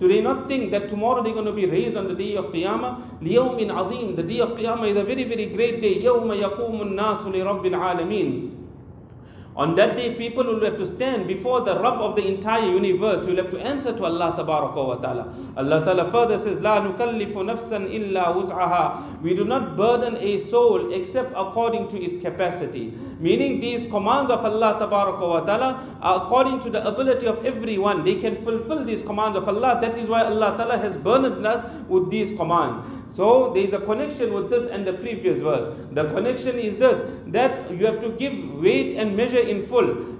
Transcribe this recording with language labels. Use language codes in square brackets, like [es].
[en] Do they not think that tomorrow they're going to be raised on the day of Qiyamah? [ar] لِيَوْمٍ عَظِيمٍ. [en] The day of Qiyamah is a very, very great day. [ar] يَوْمَ يَقُومُ النَّاسُ لِرَبِّ الْعَالَمِينَ. [en] On that day, people will have to stand before the Rabb of the entire universe. You'll have to answer to Allah tabaraka wa ta'ala. Allah ta'ala further says, [ar] لا نكلف نفسا إلا وسعها. [en] We do not burden a soul except according to its capacity. Meaning these commands of Allah tabaraka wa ta'ala are according to the ability of everyone. They can fulfill these commands of Allah. That is why Allah ta'ala has burdened us with these commands. So there is a connection with this and the previous verse. The connection is this, that you have to give weight and measure in full.